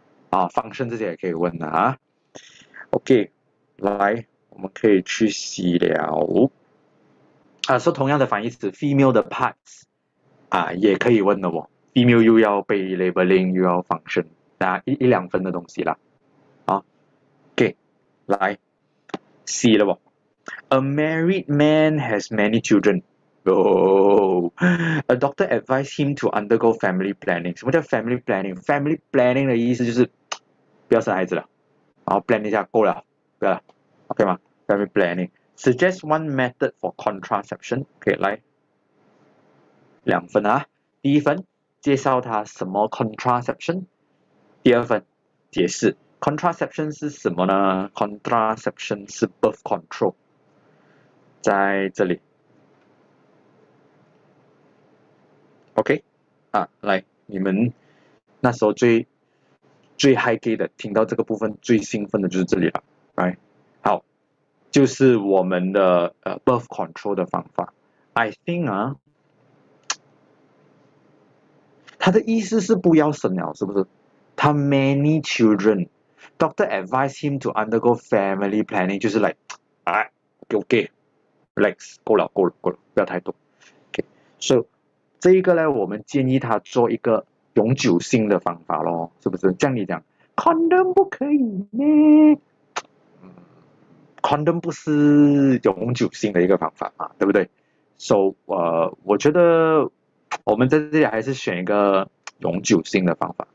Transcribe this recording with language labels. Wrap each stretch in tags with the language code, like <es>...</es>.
<zh>function 这些也可以问的啊。OK，来，我们可以去洗了。说同样的反义词，female 的 parts 也可以问的哦。 female 又要背 labeling，又要 function，一两分的东西啦。来，洗了不？</zh> <en>A married man has many children. Oh, a doctor advised him to undergo family planning.</en> <zh>什么叫</zh> <en>family planning? Family planning 的意思就是不要生孩子了，然后 plan 一下够了，不要了，OK 吗？Family planning suggest one method for contraception.</en> <zh>OK，来，两分啊。第一分介绍他什么 contraception，第二分解释 contraception 是什么呢？contraception 是 birth control。在这里，OK，来，你们那时候最 high key 的，听到这个部分最兴奋的就是这里了，right？好，就是我们的birth control 的方法。</zh> <en>I think</en> <zh>啊，他的意思是不要生了，是不是？他</zh> <en>many children, doctor advised him to undergo family planning，</en> <zh>就是 like，哎，OK。 Relax，够了，够了，够了，不要太多。OK，so，这一个呢，我们建议他做一个永久性的方法咯，是不是？这样你讲，condom 不可以呢？condom 不是永久性的一个方法嘛，对不对？So，我觉得我们在这里还是选一个永久性的方法。</zh>